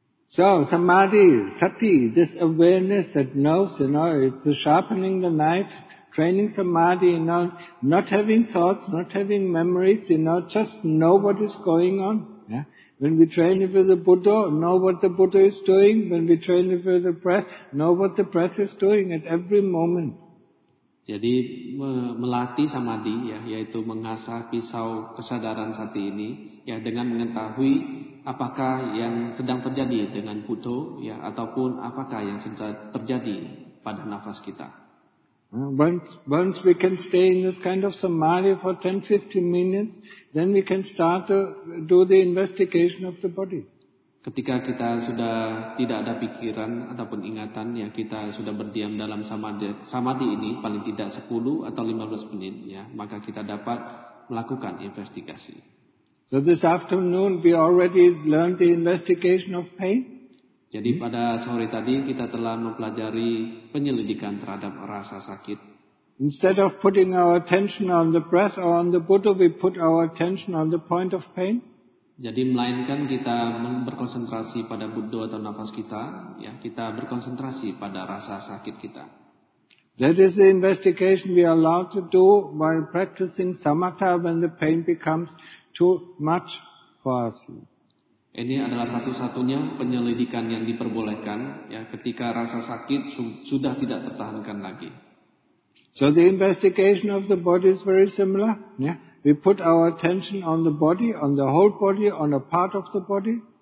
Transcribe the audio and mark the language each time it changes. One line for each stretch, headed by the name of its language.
English: So, samadhi, sati, this awareness that knows, you know, it's sharpening the knife. Training samadhi, you know, not having thoughts, not having memories, you know, just know what is going on. Yeah? When we train with the Buddha, know what the Buddha is doing. When we train with the breath, know what the breath is doing at every moment.
Indonesian: Jadi melatih samadhi, ya, yaitu mengasah pisau kesadaran sati ini, ya, dengan mengetahui apakah yang sedang terjadi dengan Buddha, ya, ataupun apakah yang sedang terjadi pada nafas kita.
English: Once we can stay in this kind of samadhi for 10-15 minutes, then we can start to do the investigation of the body.
Indonesian: Ketika kita sudah tidak ada pikiran ataupun ingatan, ya, kita sudah berdiam dalam samadhi ini paling tidak 10 atau 15 menit, ya, maka kita dapat melakukan investigasi.
English: So this afternoon we already learned the investigation of pain.
Indonesian: Jadi pada sore tadi kita telah mempelajari penyelidikan terhadap rasa sakit.
English: Instead of putting our attention on the breath or on the Buddha, we put our attention on the point of pain.
Indonesian: Jadi melainkan kita berkonsentrasi pada Buddha atau nafas kita, ya, kita berkonsentrasi pada rasa sakit kita.
English: That is the investigation we are allowed to do while practicing samatha when the pain becomes too much for us.
Indonesian: Ini adalah satu-satunya penyelidikan yang diperbolehkan, ya, ketika rasa sakit sudah tidak tertahankan lagi.
English: So the investigation of the body is very similar. Yeah. We put our attention on the body, on the whole body, on a part of the body.